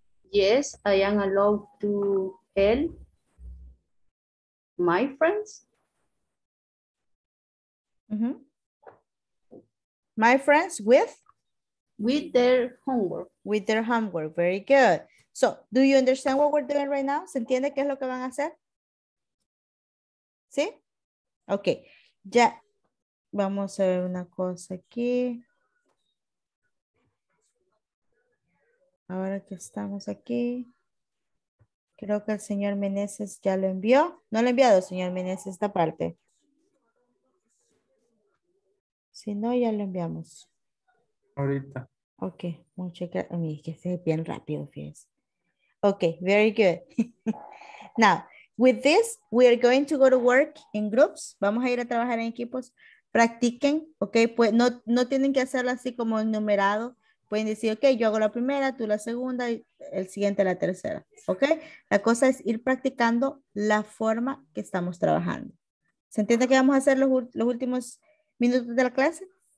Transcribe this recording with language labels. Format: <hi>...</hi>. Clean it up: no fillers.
<en>Yes, I am allowed to help my friends. Mm-hmm. My friends with? With their homework. With their homework, very good. So, do you understand what we're doing right now?</en> <es>¿Se entiende qué es lo que van a hacer? ¿Sí? Ok. Ya. Vamos a ver una cosa aquí. Ahora que estamos aquí. Creo que el señor Meneses ya lo envió. No lo ha enviado, señor Meneses, esta parte. Si no, ya lo enviamos. Ahorita. Ok. Muchas gracias. Mira, que se ve bien rápido, fíjense. Okay,</es> <en>very good. Now, with this, we are going to go to work in groups.</en> <es>Vamos a ir a trabajar en equipos. Practiquen, okay? Pues no tienen que hacerlo así como enumerado. Pueden decir, okay, yo hago la primera, tú la segunda, y el siguiente la tercera, okay? La cosa es ir practicando la forma que estamos trabajando. ¿Se entiende que vamos a hacer los últimos minutos de la clase?</es>